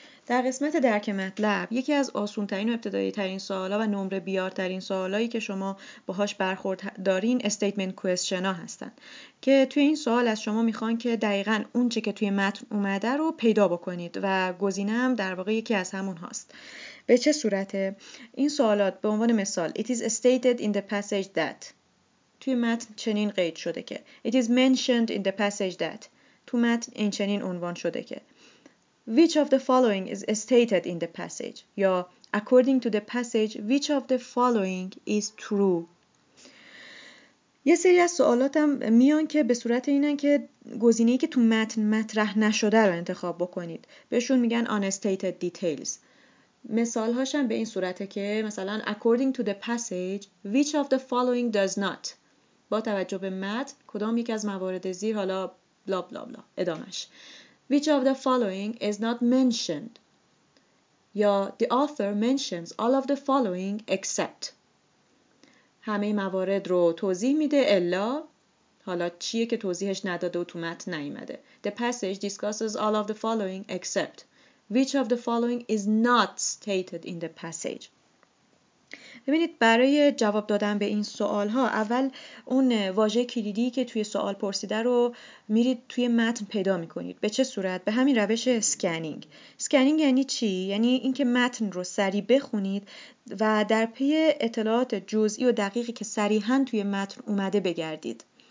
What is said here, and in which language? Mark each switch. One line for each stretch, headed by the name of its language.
Persian: در قسمت درک مطلب یکی از آسون‌ترین و ابتدایی‌ترین سوالا و نمره بیارترین سوالایی که شما باهاش برخورد دارین استیتمنت کوئسشن ها هستن که توی این سوال از شما میخوان که دقیقاً اون چه که توی متن اومده رو پیدا بکنید و گزینه هم در واقع یکی از همون هاست. به چه صورته؟ این سوالات به عنوان مثال
English: It is stated in the passage that
Persian: توی متن چنین قید شده که
English: It is mentioned in the passage that
Persian: تو متن این چنین عنوان شده که
English: Which of the following is stated in the passage? یا according to the passage, which of the following is true?
Persian: یه سری از سوالات هم میان که به صورت اینن که گزینه‌ای که تو متن مطرح نشده رو انتخاب بکنید. بهشون میگن unstated details. مثال هاشم به این صورته که مثلا
English: according to the passage, which of the following does not?
Persian: با توجه به متن کدام یک از موارد زیر حالا بلا بلا بلا ادامش.
English: Which of the following is not mentioned? یا the author mentions all of the following except.
Persian: همه موارد رو توضیح میده الا حالا چیه که توضیحش نداده و تو متن نیومده.
English: The passage discusses all of the following except. Which of the following is not stated in the passage?
Persian: ببینید برای جواب دادن به این سوال ها اول اون واژه کلیدی که توی سوال پرسیده رو میرید توی متن پیدا میکنید. به چه صورت؟ به همین روش سکنینگ. سکنینگ یعنی چی؟ یعنی اینکه متن رو سریع بخونید و در پی اطلاعات جزئی و دقیقی که صریحا توی متن اومده بگردید.